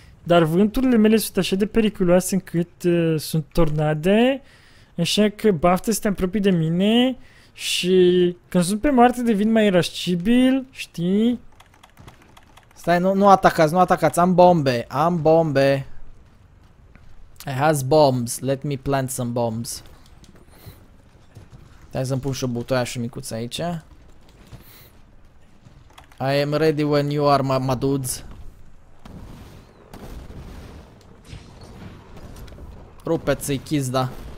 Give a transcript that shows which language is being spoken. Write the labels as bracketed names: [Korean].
[Romanian] Dar vânturile mele sunt așa de periculoase încât sunt tornade, așa că baftă să te apropii de mine și când sunt pe moarte devin mai irascibil, știi? Stai, nu atacați, nu atacați, am bombe. [English] I has bombs, let me plant some bombs. [Romanian] Stai să-mi pun și o butoia și o micuță aici. [English] I am ready when you are, my dudes. [Romanian] Rupeți-i chizda.